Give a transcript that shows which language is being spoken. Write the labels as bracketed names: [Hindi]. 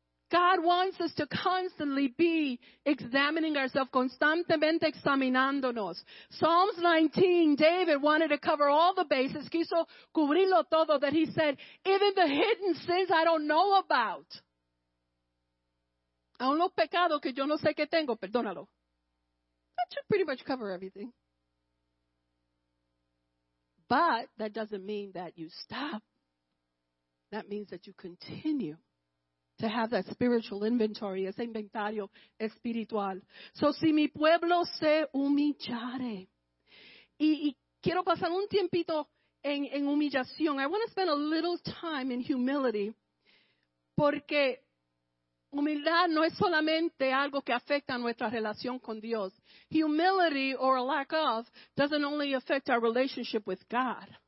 [English] God wants us to constantly be examining ourselves, [Spanish] constantemente examinándonos. [English] Psalms 19, David wanted to cover all the bases, [Spanish] quiso cubrirlo todo, [English] that he said, even the hidden sins I don't know about. [Spanish] Aún los pecados que yo no sé que tengo, perdónalo. [English] That should pretty much cover everything. But that doesn't mean that you stop. That means that you continue to have that spiritual inventory, [Spanish] ese inventario espiritual. So si mi pueblo se humillare, y quiero pasar un tiempito en humillación, [English] I want to spend a little time in humility, [Spanish] porque humildad no es solamente algo que afecta nuestra relación con Dios. [English] Humility, or a lack of, doesn't only affect our relationship with God.